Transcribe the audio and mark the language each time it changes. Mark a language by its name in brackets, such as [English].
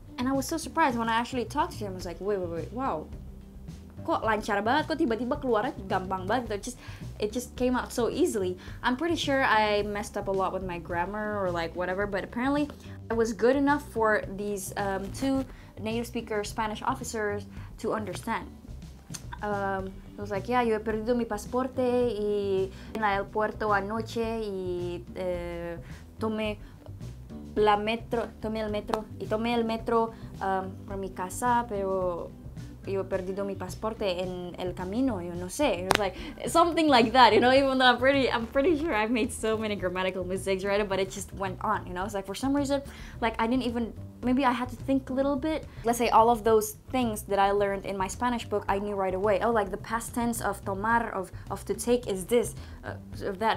[English] And I was so surprised when I actually talked to them. I was like, wait, wow. [Indonesian] Kok lancar banget, kok tiba-tiba keluarnya gampang banget, [English] it just came out so easily. I'm pretty sure I messed up a lot with my grammar or like whatever, but apparently I was good enough for these two native speaker Spanish officers to understand. It was like, yeah, [Spanish] yo he perdido mi pasaporte y en el aeropuerto anoche y tomé el metro para mi casa, pero yo he perdido mi pasaporte en el camino, yo no sé. [English] It was like something like that, you know, even though I'm pretty sure I've made so many grammatical mistakes, right? But it just went on, you know. It's like for some reason, like I didn't even, maybe I had to think a little bit. Let's say all of those things that I learned in my Spanish book, I knew right away. Oh, like the past tense of tomar, of to take is this, of that.